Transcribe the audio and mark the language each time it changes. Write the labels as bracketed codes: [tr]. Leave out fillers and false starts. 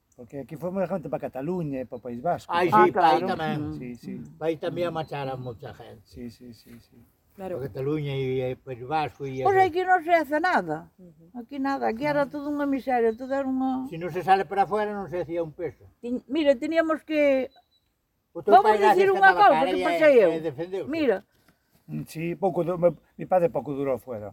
[es] Porque aquí fuimos la gente para Cataluña y para País Vasco. Ay, ¿no? Sí, claro. Ahí también. Sí, sí. Ahí también marcharon mucha gente. Sí, sí, sí. Sí. Claro. Para Cataluña y País Vasco. Y pues aquí no se hace nada. Aquí nada. Aquí era todo una miseria. Todo era una... Si no se sale para afuera no se hacía un peso. Mira, teníamos que... [gl] Vamos dicir unha cousa que pensei eu. [es] Mira. Sí, mi padre [gl] pouco durou [es] fuera.